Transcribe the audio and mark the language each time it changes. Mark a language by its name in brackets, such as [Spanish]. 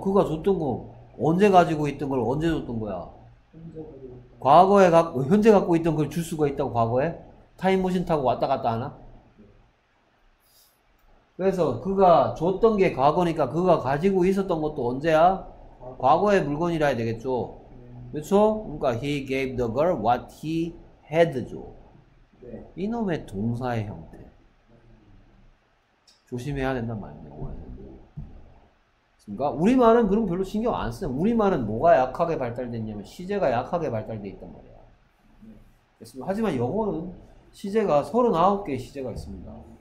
[Korean] 그가 줬던 거 언제 가지고 있던 걸 언제 줬던 거야? 과거에 현재 갖고 있던 걸줄 수가 있다고 과거에? 타임머신 타고 왔다 갔다 하나? 그래서 그가 줬던 게 과거니까 그가 가지고 있었던 것도 언제야? 과거의 물건이라 해야 되겠죠. 그렇죠? 그러니까 [English] he gave the girl what he had죠. [Korean] 이놈의 동사의 형태. 조심해야 된단 말이네요. 그러니까 우리말은 그럼 별로 신경 안 쓰네. 우리말은 뭐가 약하게 발달됐냐면 시제가 약하게 발달돼 있단 말이야. 그렇습니다. 하지만 영어는 시제가 39개의 시제가 있습니다.